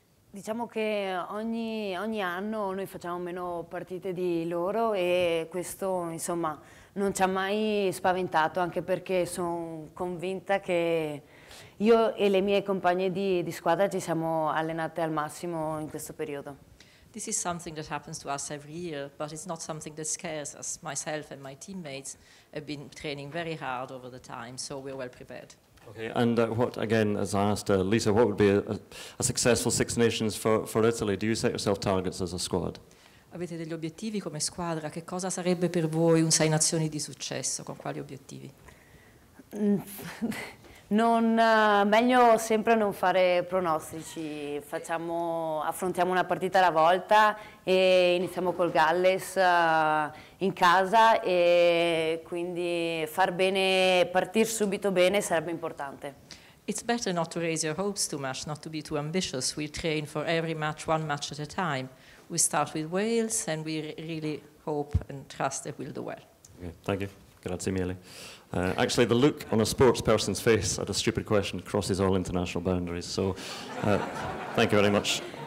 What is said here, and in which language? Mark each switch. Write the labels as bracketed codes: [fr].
[it] Diciamo che ogni anno noi facciamo meno partite di loro e questo insomma non ci ha mai spaventato, anche perché sono convinta che io e le mie compagne di squadra ci siamo allenate al massimo in questo periodo. [en] This is something that happens to us every year, but it's not something that scares us. Myself and my teammates have been training very hard over the time, so we're well prepared. Okay, and what, again, as I asked Lisa, what would be a successful Six Nations for Italy? Do you set yourself targets as a squad? [it] Avete degli obiettivi come squadra? Che cosa sarebbe per voi un Sei Nazioni di successo? Con quali obiettivi? Meglio sempre non fare pronostici. Affrontiamo una partita alla volta e iniziamo col Galles in casa, e quindi far bene, partire subito bene sarebbe importante. [en] It's better not to raise your hopes too much, not to be too ambitious. We train for every match, one match at a time. We start with Wales and we really hope and trust that we'll do well. Okay, thank you. [it] Grazie mille. [en] Actually, the look on a sports person's face at a stupid question crosses all international boundaries, so thank you very much.